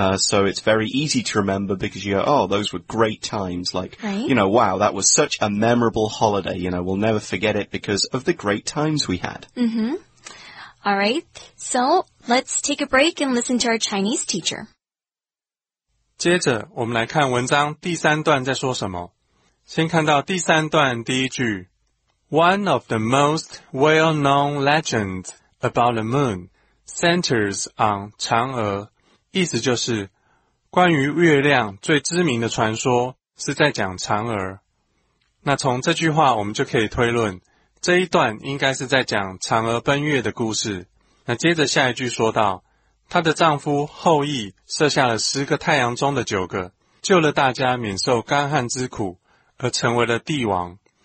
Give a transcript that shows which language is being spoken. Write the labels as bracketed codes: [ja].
[en] So it's very easy to remember because you go, oh, those were great times. Like, you know, wow, that was such a memorable holiday. You know, we'll never forget it because of the great times we had. All right, so let's take a break and listen to our Chinese teacher. [zh] 接着我们来看文章第三段在说什么。先看到第三段第一句。 [en] One of the most well-known legends about the moon centers on 嫦娥。 [zh] 意思就是关于月亮最知名的传说是在讲嫦娥。那从这句话我们就可以推论这一段应该是在讲嫦娥奔月的故事。那接着下一句说到，她的丈夫后羿射下了十个太阳中的九个，救了大家免受干旱之苦，而成为了帝王。